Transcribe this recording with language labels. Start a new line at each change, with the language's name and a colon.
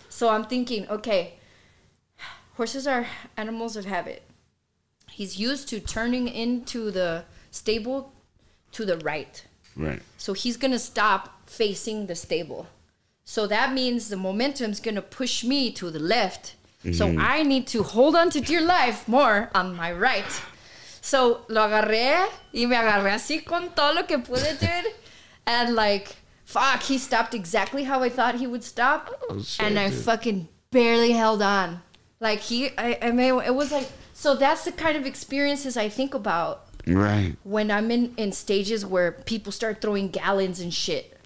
English: So I'm thinking, okay, horses are animals of habit. He's used to turning into the stable to the right. Right. So he's going to stop facing the stable. So that means the momentum is going to push me to the left. Mm-hmm. So I need to hold on to dear life more on my right.
Spanish: So, lo agarré, y me agarré así con todo lo que pude, dude.
English: And, like, fuck, he stopped exactly how I thought he would stop. Oh, and shit, I fucking barely held on. Like, it was like, so that's the kind of experiences I think about. Right. When I'm in stages where people start throwing gallons and shit.